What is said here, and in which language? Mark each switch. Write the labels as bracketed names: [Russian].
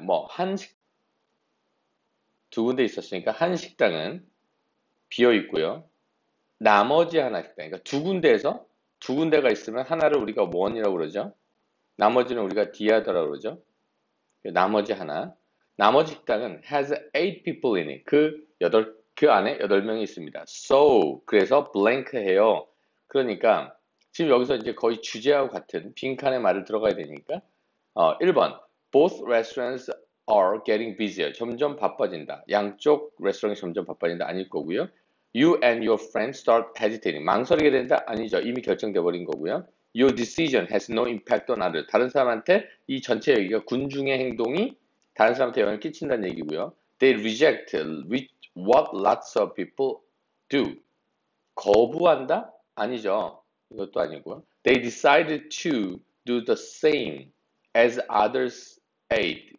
[Korean] 뭐, 두 군데 있었으니까 한 식당은 비어 있고요. 나머지 하나 식당, 그러니까 두 군데가 있으면 하나를 우리가 원이라고 그러죠. 나머지는 우리가 디아더라고 그러죠. 나머지 하나. 나머지 식당은 [English] has 8 people in it. [Korean] 그 안에 8명이 있습니다. So, 그래서 blank 해요. 그러니까 지금 여기서 이제 거의 주제와 같은 빈칸의 말을 들어가야 되니까 1번, [English] both restaurants are getting busier. [Korean] 점점 바빠진다. 양쪽 레스토랑이 점점 바빠진다. 아닐 거고요. [English] You and your friend start hesitating. [Korean] 망설이게 된다? 아니죠. 이미 결정돼 버린 거고요. [English] Your decision has no impact on others. [Korean] 다른 사람한테 이 전체 얘기가 군중의 행동이 다른 사람한테 영향을 끼친다는 얘기고요. [English] They reject what lots of people do. [Korean] 거부한다? 아니죠. 이것도 아니고요. [English] They decided to do the same as others ate.